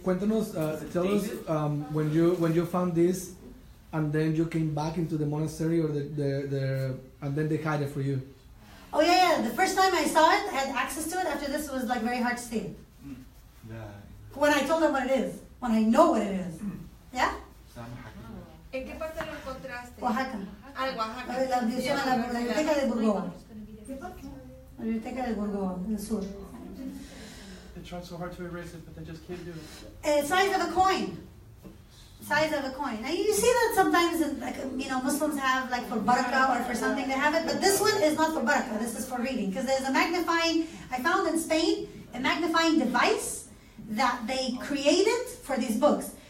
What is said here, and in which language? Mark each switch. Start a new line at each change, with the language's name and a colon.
Spanish: Cuéntanos,
English: tell us when you found this, and then you came back into the monastery or the and then they hide it for you. Oh yeah, yeah. The first time I saw it, I had access to it. After this, it was like very hard to see. Yeah. When I told them what it is, when I know what it is, yeah.
Spanish: ¿En qué parte lo encontraste? Oaxaca. Al Oaxaca. La biblioteca de Burgos. La biblioteca de Burgos, en el sur.
English: They tried so hard to erase it, but they just can't do it. Size of a coin. Size of a coin. Now you see that sometimes, in, like, you know, Muslims have, like, for baraka or for something, they have it. But this one is not for baraka. This is for reading. Because there's a magnifying, I found in Spain, a magnifying device that they created for these books.